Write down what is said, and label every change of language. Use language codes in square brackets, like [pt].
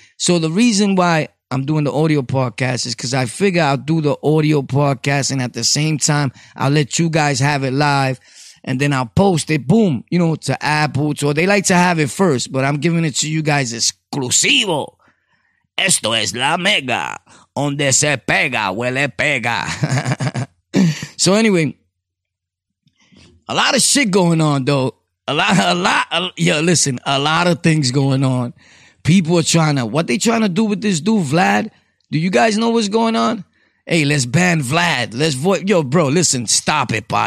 [en] So the reason why I'm doing the audio podcast is because I figure I'll do the audio podcast and at the same time, I'll let you guys have it live and then I'll post it, boom, you know, to Apple. So they like to have it first, but I'm giving it to you guys exclusivo. [es] Esto es la mega, donde se pega, huele pega. [en] So anyway, a lot of shit going on though. A lot of things going on. People are trying to, what they trying to do with this dude, Vlad? Do you guys know what's going on? Hey, let's ban Vlad. Yo, bro, listen, stop it, pa.